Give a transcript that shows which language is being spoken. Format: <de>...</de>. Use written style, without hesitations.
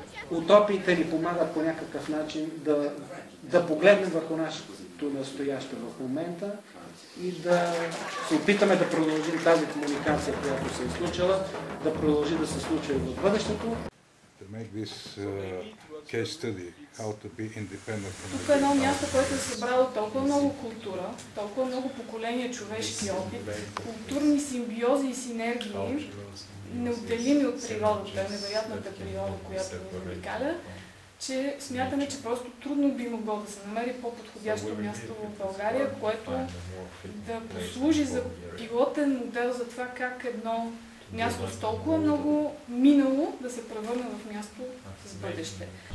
<bg>Утопиите ни помагат по някакъв начин да погледнем върху нашето настояще в момента и да се опитаме да продължим тази комуникация, която се е случила, да продължи да се случва и в бъдещето.</bg> <en>To make this case study how to be independent.</en> <bg>Тук е едно място, което е събрало толкова много култура, толкова много поколения човешки опит, културни симбиози и синергии, неотделими от природата, невероятната природа, която ни обикаля, че смятаме, че просто трудно би могло да се намери по-подходящо място в България, което да послужи за пилотен модел за това как едно място с толкова много минало да се превърне в място с бъдеще.</bg>